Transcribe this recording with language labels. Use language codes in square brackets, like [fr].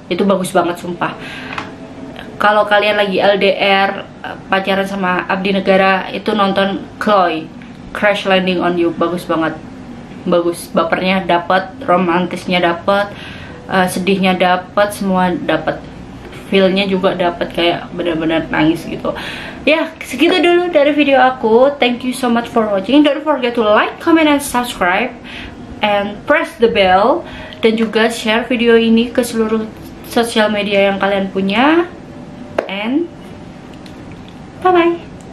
[id] Itu bagus banget sumpah. Kalau kalian lagi LDR pacaran sama abdi negara, itu nonton Chloe Crash Landing on You, bagus banget. Bagus, bapernya dapat, romantisnya dapat, sedihnya dapat, semua dapat. Feelnya juga dapat, kayak benar-benar nangis gitu. Ya, segitu dulu dari video aku. [en] Thank you so much for watching. Don't forget to like, comment and subscribe and press the bell. [id] Dan juga share video ini ke seluruh sosial media yang kalian punya. [en] And bye-bye.